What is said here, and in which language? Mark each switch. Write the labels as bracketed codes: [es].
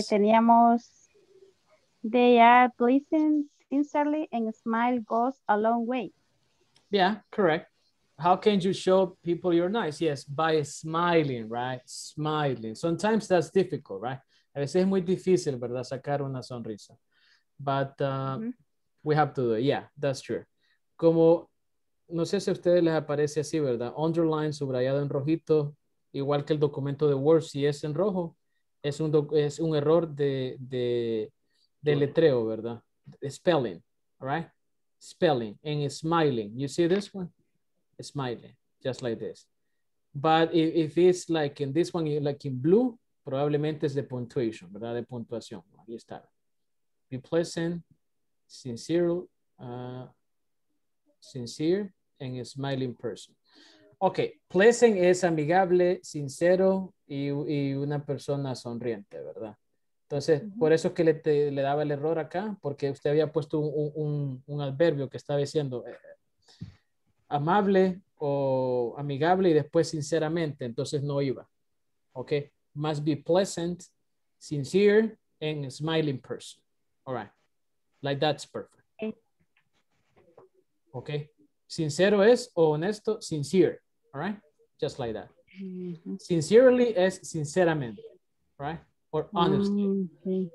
[es] Teníamos [en] they are pleasant, sincerely, and smile goes a long way. Yeah, correct. How can you show people you're nice? Yes, by smiling, right? Smiling. Sometimes that's difficult, right? [es] A veces es muy difícil, ¿verdad? Sacar una sonrisa. [en] But we have to do it. Yeah, that's true. [es] Como, no sé si a ustedes les aparece así, ¿verdad? Underline, subrayado en rojito, igual que el documento de Word, si es en rojo. Es un error de letreo, ¿verdad? [en] Spelling, all right? Spelling and smiling. You see this one? Smiling, just like this. But if it's like in this one, like in blue, [es] probablemente es de puntuación, ¿verdad? De puntuación. Ahí está. [en] Be pleasant, sincere, and a smiling person. [es] Okay, pleasant es amigable, sincero y una persona sonriente, ¿verdad? Entonces, uh-huh. Por eso es que le daba el error acá, porque usted había puesto un adverbio que estaba diciendo amable o amigable y después sinceramente, entonces no iba. [en] Okay, must be pleasant, sincere, and a smiling person. All right, like that's perfect. Okay, [es] sincero es o honesto, [en] sincere. All right, just like that. Mm-hmm. Sincerely [es] es sinceramente, [en] right? Or honestly. Mm-hmm.